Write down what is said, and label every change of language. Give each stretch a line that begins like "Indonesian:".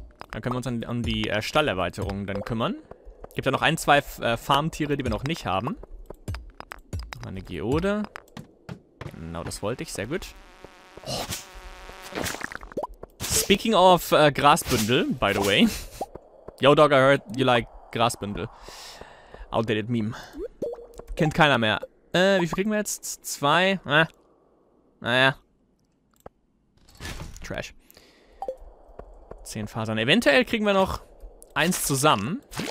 German: Dann können wir uns an die Stallerweiterung dann kümmern. Gibt ja noch ein, zwei Farmtiere, die wir noch nicht haben. Nochmal eine Geode. Genau, das wollte ich. Sehr gut.
English: Speaking of Grasbündel, by the way. Yo, dog, I heard you like Grasbündel. Outdated Meme.
German: Kennt keiner mehr. Wie viel kriegen wir jetzt? 2? Naja. Trash. 10 Fasern. Eventuell kriegen wir noch 1 zusammen.